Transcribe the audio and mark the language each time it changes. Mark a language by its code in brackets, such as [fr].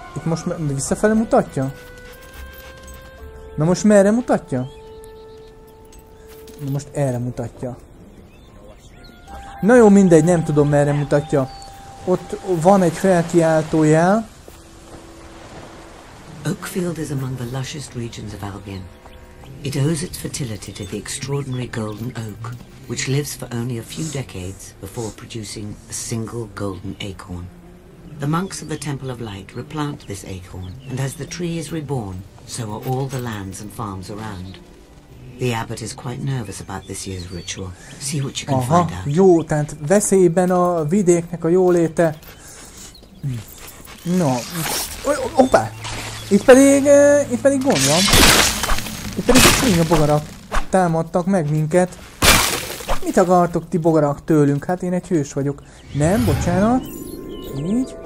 [hu] Itt most visszafele mutatja? Na most merre mutatja? Na most erre mutatja. Na jó, mindegy, nem tudom merre mutatja. Ott van egy felkiáltó jel. [en] Oakfield is among the lushest regions of Albion. It owes its fertility to the extraordinary golden oak, which lives for only a few decades before producing a single golden acorn. The monks of the Temple of Light replant this acorn, and as the tree is reborn, so are all the lands and farms around. The abbot is quite nervous about this year's ritual. See what you can [hu] Aha, [en] find out. [hu] Jó, tehát veszélyben a vidéknek a jóléte. No. Hoppá! Itt pedig gond van. Itt pedig a bogarak támadtak meg minket. Mit akartok ti bogarak tőlünk? Hát én egy hős vagyok. Nem, bocsánat. Így.